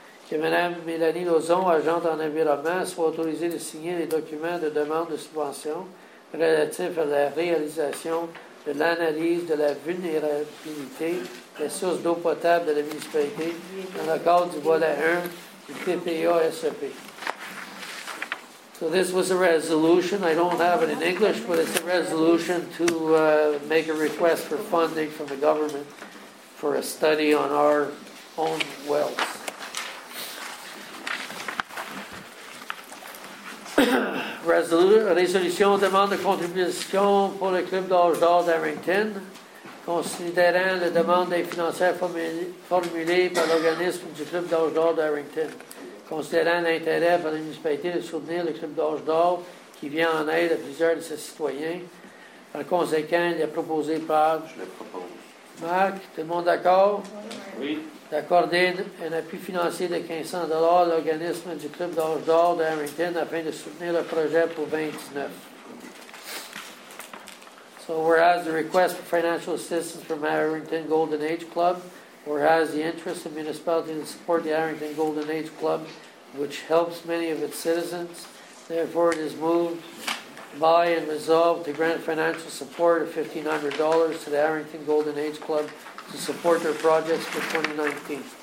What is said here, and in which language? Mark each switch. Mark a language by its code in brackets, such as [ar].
[fr] Que Mme Mélanie Lauzon, agente en environnement, soit autorisée de signer les documents de demande de subvention relatifs à la réalisation de l'analyse de la vulnérabilité des sources d'eau potable de la municipalité dans le cadre du volet 1 du PPASEP. [en] So this was a resolution. I don't have it in English, but it's a resolution to make a request for funding from the government for a study on our own wells. [fr] Résolution demande de contribution pour le Club d'âge d'or d'Arrington. Considérant la demande d'aide financière formulée par l'organisme du Club d'âge d'or d'Arrington, considérant l'intérêt pour la municipalité de soutenir le Club d'âge d'or qui vient en aide à plusieurs de ses citoyens, par conséquent, il est proposé par. Je le propose. Marc, tout le monde d'accord? Oui. D'accorder un appui financier de 500 $ à l'organisme du Club d'âge d'or d'Arrington afin de soutenir le projet pour 29. [en] So, whereas the request for financial assistance from Arrington Golden Age Club, whereas the interest of municipality to support the Arrington Golden Age Club, which helps many of its citizens, therefore it is moved by and resolved to grant financial support of $1,500 to the Harrington Golden Age Club to support their projects for 2019.